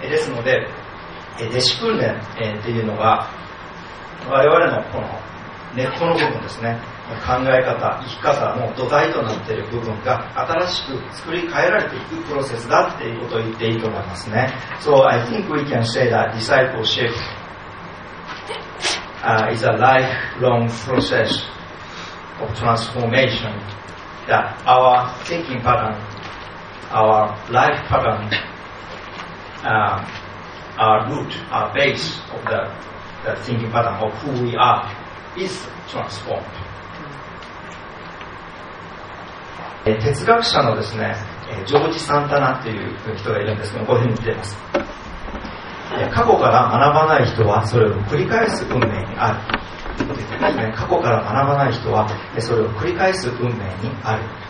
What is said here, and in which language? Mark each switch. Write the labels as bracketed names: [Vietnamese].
[Japanese] ので、弟子訓練というのが我々のこの根っこの部分ですね、考え方、生き方の土台となっている部分が新しく作り変えられていくプロセスだということを言っていいと思いますね。 [English] So I think we can say that discipleship、is a lifelong process of transformation that our thinking pattern, our life pattern, our root, our base of the thinking pattern of who we are is transformed。 [Japanese] 哲学者のですね、ジョージ・サンタナという人がいるんですけど、こういうふうに言っています。過去から学ばない人はそれを繰り返す運命にある。過去から学ばない人はそれを繰り返す運命にある。